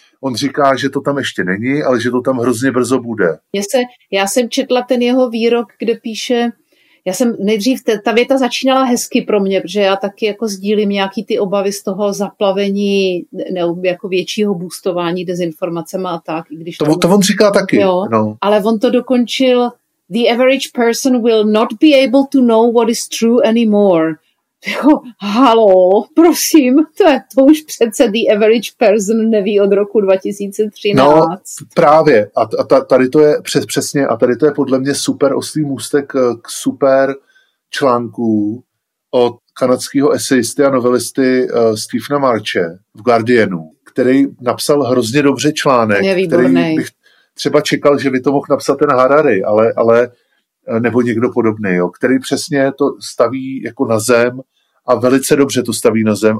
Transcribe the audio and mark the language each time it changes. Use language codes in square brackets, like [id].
[cs] On říká, že to tam ještě není, ale že to tam hrozně brzo bude. Já jsem četla ten jeho výrok, kde píše, já jsem nejdřív, ta věta začínala hezky pro mě, protože já taky jako sdílím nějaký ty obavy z toho zaplavení nebo jako většího boostování dezinformacema a tak. Když to on říká taky. Jo, no. Ale on to dokončil, [en] the average person will not be able to know what is true anymore. [cs] Jo, halo, prosím, to už přece [en] the average person [cs] neví od roku 2013. No, právě, tady to je přesně, a tady to je podle mě super oslý můstek k super článku od kanadského esejisty a novelisty Stephena Marche v Guardianu, který napsal hrozně dobře článek, který bych třeba čekal, že by to mohl napsat ten Harari, ale nebo někdo podobný, jo, který přesně to staví jako na zem a velice dobře to staví na zem.